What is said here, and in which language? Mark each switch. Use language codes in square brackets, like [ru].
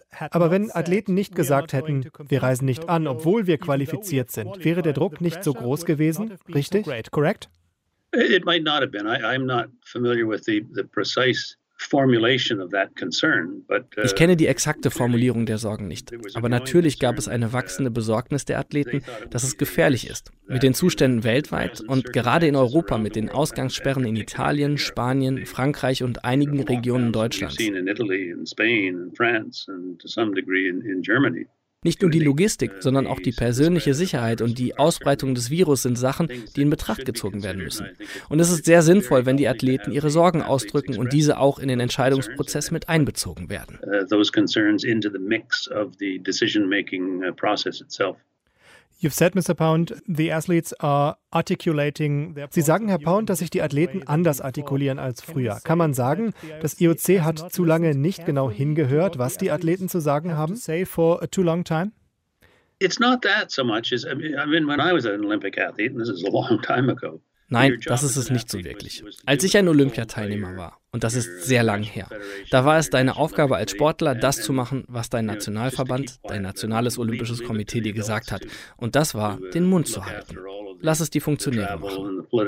[de] Aber wenn Athleten nicht gesagt hätten, wir reisen nicht an, obwohl wir qualifiziert sind, wäre der Druck nicht so groß gewesen, richtig? [en] Correct? It might not have been. I'm not familiar with the precise formulation of that concern, but [de] ich kenne die exakte Formulierung der Sorgen nicht. Aber natürlich gab es eine wachsende Besorgnis der Athleten, dass es gefährlich ist. Mit den Zuständen weltweit und gerade in Europa mit den Ausgangssperren in Italien, Spanien, Frankreich und einigen Regionen Deutschlands. [en] In Italy, in Spain, in France and to some degree in Germany. [de] Nicht nur die Logistik, sondern auch die persönliche Sicherheit und die Ausbreitung des Virus sind Sachen, die in Betracht gezogen werden müssen. Und es ist sehr sinnvoll, wenn die Athleten ihre Sorgen ausdrücken und diese auch in den Entscheidungsprozess mit einbezogen werden. [en] Those concerns into the mix of the decision-making process itself. You've said, Mr. Pound, the athletes are articulating their. [de] Sie sagen, Herr Pound, dass sich die Athleten anders artikulieren als früher. Kann man sagen, das IOC hat zu lange nicht genau hingehört, was die Athleten zu sagen haben? [en] Say for a too long time? It's not that so much as I mean when I was an Olympic athlete, and this is a long time ago. [de] Nein, das ist es nicht so wirklich. Als ich ein Olympiateilnehmer war, und das ist sehr lang her, da war es deine Aufgabe als Sportler, das zu machen, was dein Nationalverband, dein nationales Olympisches Komitee dir gesagt hat. Und das war, den Mund zu halten. Lass es die Funktionäre machen.